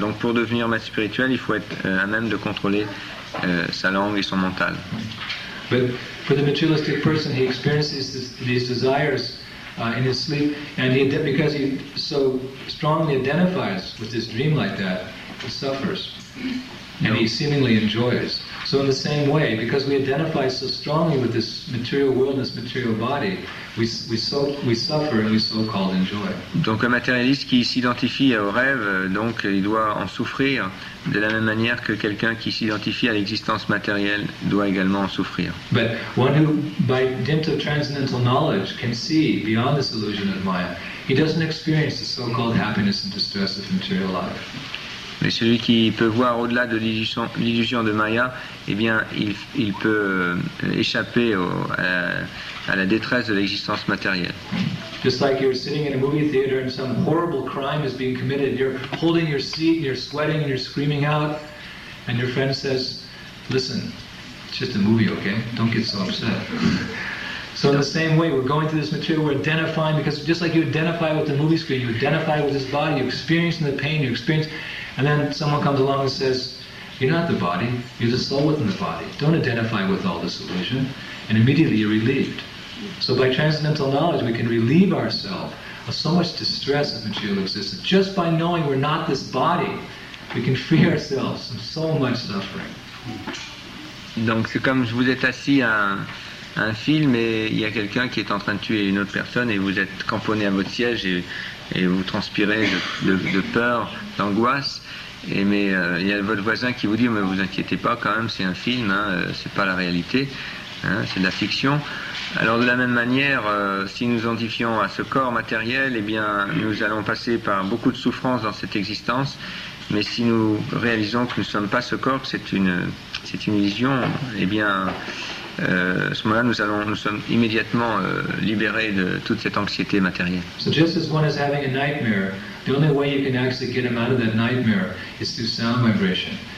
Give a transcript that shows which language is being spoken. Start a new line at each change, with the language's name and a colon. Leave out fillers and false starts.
French: Donc pour devenir maître spirituel, il faut être à même de contrôler sa langue et son mental.
English: But for the materialistic person, he experiences these desires in his sleep, and because he so strongly identifies with his dream like that, he suffers. And he seemingly enjoys. So in the same way, because we identify so strongly with this material world, this material body, we suffer and we so-called enjoy.
French: Donc un matérialiste qui s'identifie au rêve, donc il doit en souffrir de la même manière que quelqu'un qui s'identifie à l'existence matérielle doit également en souffrir.
English: But one who, by dint of transcendental knowledge, can see beyond this illusion of Maya, he doesn't experience the so-called happiness and distress of material life.
French: Mais celui qui peut voir au-delà de l'illusion de Maya, eh bien, il peut échapper à la détresse de l'existence matérielle.
English: Just like you're sitting in a movie theater and some horrible crime is being committed, you're holding your seat, and you're sweating, and you're screaming out, and your friend says, "Listen, it's just a movie, okay? Don't get so upset." So in the same way, we're going through this material, we're identifying, because just like you identify with the movie screen, you identify with this body, you're experiencing the pain, you experience. And then someone comes along and says, "You're not the body, you're the soul within the body. Don't identify with all this illusion." And immediately you're relieved. So by transcendental knowledge, we can relieve ourselves of so much distress of material existence. Just by knowing we're not this body, we can free ourselves from so much suffering.
French: Donc c'est comme vous êtes assis à un film et il y a quelqu'un qui est en train de tuer une autre personne et vous êtes cramponné à votre siège et vous transpirez de peur, d'angoisse. Et mais il y a votre voisin qui vous dit, mais vous inquiétez pas quand même, c'est un film, hein, c'est pas la réalité, hein, c'est de la fiction. Alors de la même manière, si nous identifions à ce corps matériel, eh bien nous allons passer par beaucoup de souffrances dans cette existence. Mais si nous réalisons que nous ne sommes pas ce corps, que c'est une illusion, eh bien, à ce moment-là, nous sommes immédiatement libérés de toute cette anxiété matérielle.
English: So just as one is having a nightmare, the only way you can actually get him out of that nightmare is through sound vibration.